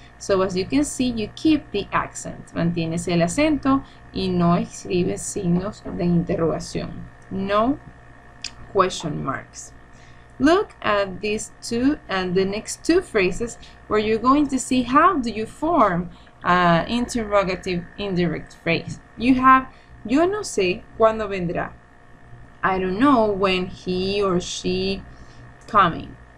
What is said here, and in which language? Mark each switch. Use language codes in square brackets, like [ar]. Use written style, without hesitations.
[en] So as you can see, you keep the accent. [es] Mantienes el acento y no escribes signos de interrogación. [en] No question marks. Look at these two and the next two phrases where you're going to see how do you form an interrogative indirect phrase. You have [es] yo no sé cuándo vendrá. [en] I don't know when he or she coming.